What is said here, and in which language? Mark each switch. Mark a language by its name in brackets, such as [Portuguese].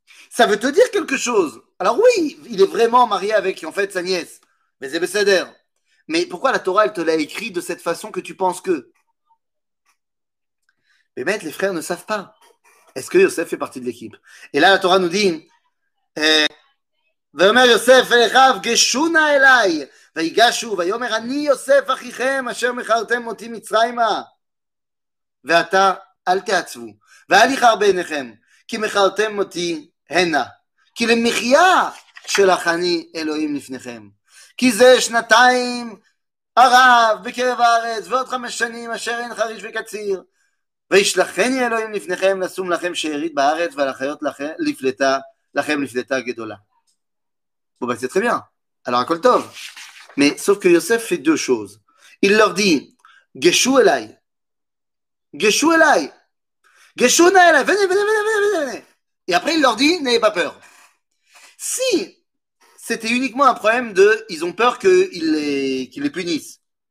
[French] Ça veut te dire quelque chose. Alors oui, il est vraiment marié avec, en fait, sa nièce. Mais c'est Bessader. Mais pourquoi la Torah, elle te l'a écrit de cette façon que tu penses que? Mais maître, les frères ne savent pas. Est-ce que Yosef fait partie de l'équipe? Et là, la Torah nous dit, [Hebrew] ואומר יוסף אל אחיו גשונה אליי ויגשו ויאמר אני יוסף אחיכם אשר מכרתם אותי מצרימה ואתה אל תעצבו ואל יכר בעיניכם כי מכרתם אותי הנה כי למחיה שלך אני אלוהים לפניכם כי זה שנתיים ערב בקרב הארץ ועוד חמש שנים אשר אין חריש וקציר וישלחני אלוהים לפניכם לשום לכם שארית בארץ ולחיות לכם לפלטה, לכם לפלטה גדולה. [French] Bon, bah, c'est très bien. Alors, à Koltov. Mais, sauf que Yosef fait deux choses. Il leur dit, Geshu Elai. Geshu Elai. Geshu Elai. Venez, venez, venez, venez, venez. Et après, il leur dit, n'ayez pas peur. Si c'était uniquement un problème de, ils ont peur qu'ils les punissent.